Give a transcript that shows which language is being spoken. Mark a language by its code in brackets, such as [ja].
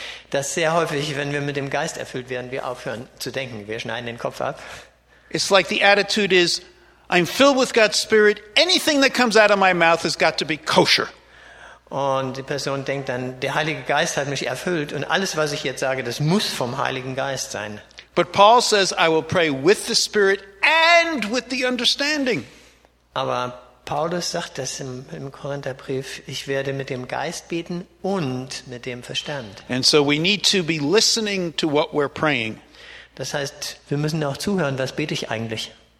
[de] Das sehr häufig, wenn wir mit dem Geist erfüllt werden, wir aufhören zu denken, wir schneiden den Kopf ab. [en] It's like the attitude is, I'm filled with God's Spirit, anything that comes out of my mouth has got to be kosher. [de] Und die Person denkt dann, der Heilige Geist hat mich erfüllt und alles, was ich jetzt sage, das muss vom Heiligen Geist sein. [en] But Paul says, I will pray with the Spirit and with the understanding. [de] Aber Paulus sagt das im Korintherbrief, ich werde mit dem Geist beten und mit dem Verstand. [en] And so we need to be listening to what we're praying. [de] Das heißt, wir müssen auch zuhören, was bete ich eigentlich?